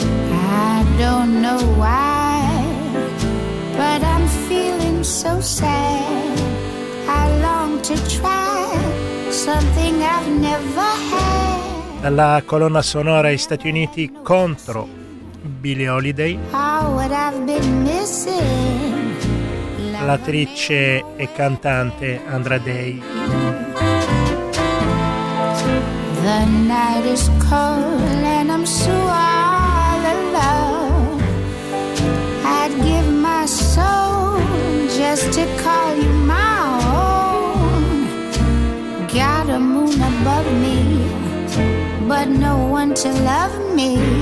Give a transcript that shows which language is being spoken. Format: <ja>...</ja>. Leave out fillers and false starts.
<en>I don't know why, but I'm feeling so sad. I long to try something I've never had.</en> <it>Dalla colonna sonora ai Stati Uniti contro Billie Holiday.</it> <en>How would I've been missing?</en> <it>L'attrice e cantante Andra Day.</it> <en>The night is cold and I'm so all alone. I'd give my soul just to call you my own. Got a moon above me, but no one to love me.</en>